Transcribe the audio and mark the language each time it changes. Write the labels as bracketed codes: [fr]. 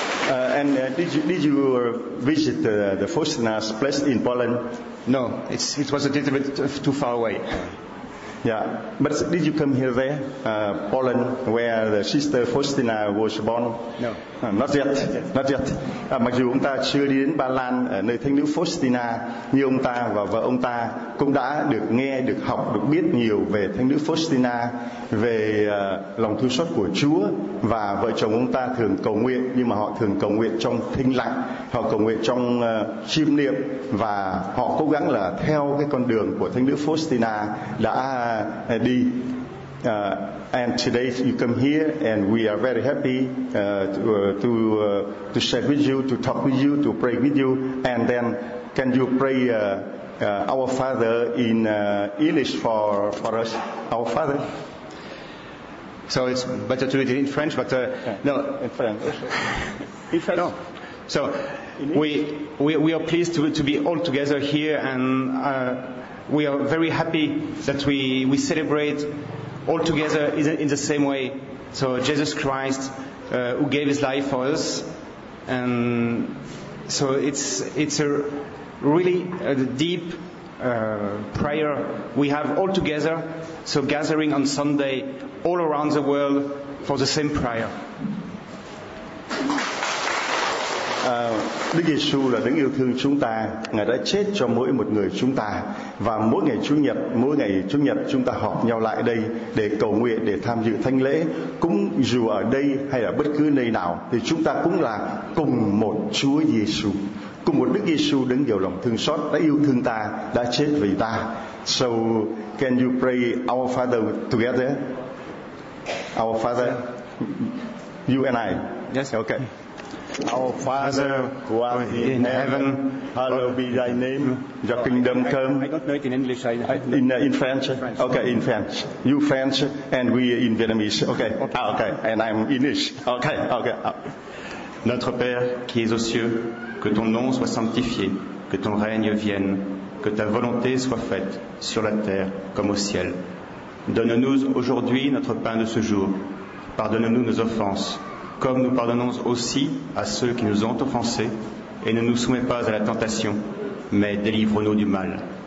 [en] And did you visit the Faustina's place in Poland? No, it was a little bit too far away. Yeah, but did you come here there, Poland, where the sister Faustina was born? No, not yet. [vi] Mặc dù ông ta chưa đi đến Ba Lan, nơi thánh nữ Faustina, như ông ta và vợ ông ta cũng đã được nghe, được học, được biết nhiều về thánh nữ Faustina, về lòng thương xót của Chúa, và vợ chồng ông ta thường cầu nguyện, nhưng mà họ thường cầu nguyện trong thinh lặng, họ cầu nguyện trong chiêm niệm, và họ cố gắng là theo cái con đường của thánh nữ Faustina đã đi. [en] And today you come here, and we are very happy to share with you, to talk with you, to pray with you. And then, can you pray Our Father in English for us? Our Father. So it's better to read it in French, but no, in French. In French. No. So we are pleased to be all together here, and we are very happy that we celebrate all together in the same way. So Jesus Christ, who gave his life for us, and so it's a really a deep prayer we have all together. So gathering on Sunday all around the world for the same prayer. [vi] Đức Giêsu là đấng yêu thương chúng ta, Ngài đã chết cho mỗi một người chúng ta, và mỗi ngày Chủ nhật chúng ta họp nhau lại đây để cầu nguyện, để tham dự thánh lễ, cũng dù ở đây hay là bất cứ nơi nào thì chúng ta cũng là cùng một Chúa Giêsu, cùng một Đức Giêsu đấng giàu lòng thương xót đã yêu thương ta, đã chết vì ta. [en] So can you pray Our Father together? Our Father, you and I. Yes, okay. Our Father, who art in heaven, hallowed be thy name, thy kingdom come. I don't know it in English. In French? French? Okay, in French. You French, and we in Vietnamese. Okay. And I'm English. Okay. [fr] Notre Père, qui es aux cieux, que ton nom soit sanctifié, que ton règne vienne, que ta volonté soit faite sur la terre comme au ciel. Donne-nous aujourd'hui notre pain de ce jour. Pardonne-nous nos offenses, comme nous pardonnons aussi à ceux qui nous ont offensés, et ne nous soumets pas à la tentation, mais délivre-nous du mal.